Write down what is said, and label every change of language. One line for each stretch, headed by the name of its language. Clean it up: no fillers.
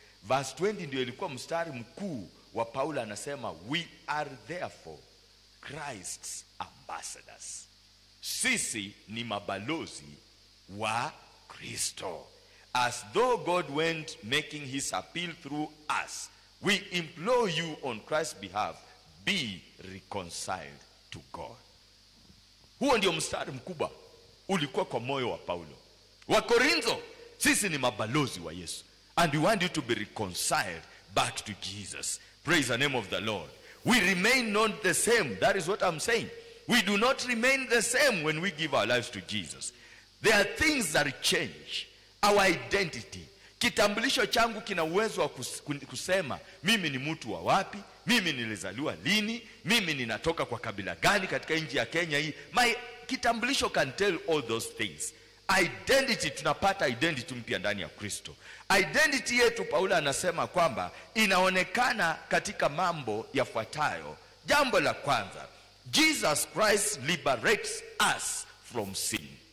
Swahili: Verse 20 ndio ilikuwa mstari mkuu wa Paul, anasema
English: we are therefore Christ's ambassadors.
Swahili: Sisi ni mabalozi wa Kristo.
English: As though God went making his appeal through us, we implore you on Christ's behalf, be reconciled to God.
Swahili: Huo ndio mstari mkubwa ulikuwa kwa moyo wa Paulo. Wa Korintho, sisi ni mabalozi wa Yesu,
English: and we want you to be reconciled back to Jesus. Praise the name of the Lord. We remain not the same. That is what I'm saying. We do not remain the same when we give our lives to Jesus. There are things that change. Our identity.
Swahili: Kitambulisho changu kina uwezo wa kusema, mimi ni mtu wa wapi? Mimi nilizaliwa lini? Mimi ninatoka kwa kabila gani katika nchi ya Kenya hii?
English: My kitambulisho can tell all those things.
Swahili: Identity, tunapata identity mpya ndani ya Kristo. Identity yetu, Paulo anasema kwamba inaonekana katika mambo yafuatayo. Jambo la kwanza,
English: Jesus Christ liberates us from sin.